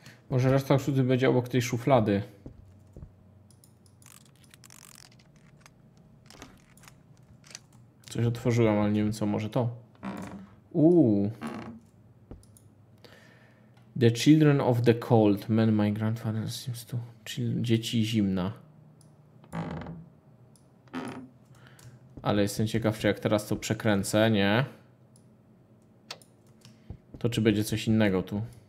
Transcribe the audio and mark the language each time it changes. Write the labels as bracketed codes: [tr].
[pl] Może reszta szuty będzie obok tej szuflady. Coś otworzyłem, ale nie wiem co, może to. [en] The Children of the Cold. Man, my grandfather seems to. [pl] Dzieci zimna. Ale jestem ciekaw, czy jak teraz to przekręcę, nie? To czy będzie coś innego tu?